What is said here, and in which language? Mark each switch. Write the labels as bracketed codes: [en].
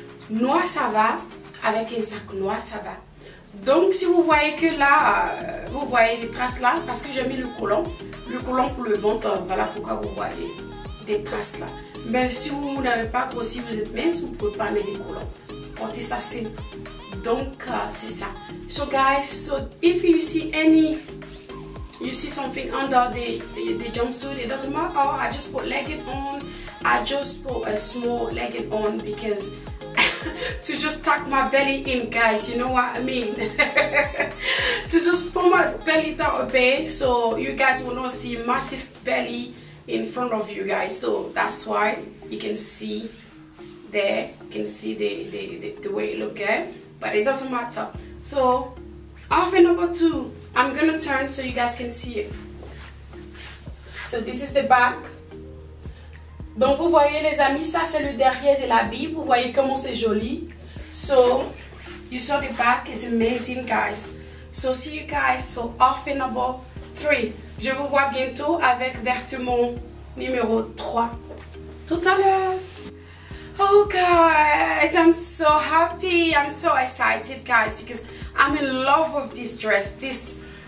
[fr] Noir ça va, avec un sac noir ça va. Donc si vous voyez que là, vous voyez les traces là, parce que j'ai mis le collant pour le ventre, voilà pourquoi vous voyez des traces là. Mais si vous n'avez pas grossi, vous êtes mince, vous pouvez pas mettre des collants. Portez ça simple. Donc c'est ça. [en] So guys, so if you see any, you see something under the jumpsuit, it doesn't matter. I just put legging on. I just put a small legging on because to just tuck my belly in, guys. You know what I mean? To just pull my belly down a bit, so you guys will not see massive belly in front of you guys. So that's why you can see there. You can see the way it look at. But it doesn't matter. So, outfit number two. I'm gonna turn so you guys can see it. So this is the back. [fr] Donc vous voyez les amis, ça c'est le derrière de l'habit. Vous voyez comment c'est joli. [en] So, you saw the back is amazing, guys. So see you guys for outfit number three. [fr] Je vous vois bientôt avec vêtement numéro 3. Tout à l'heure. [en] Oh guys, I'm so happy, I'm so excited, guys, because I'm in love with this dress. This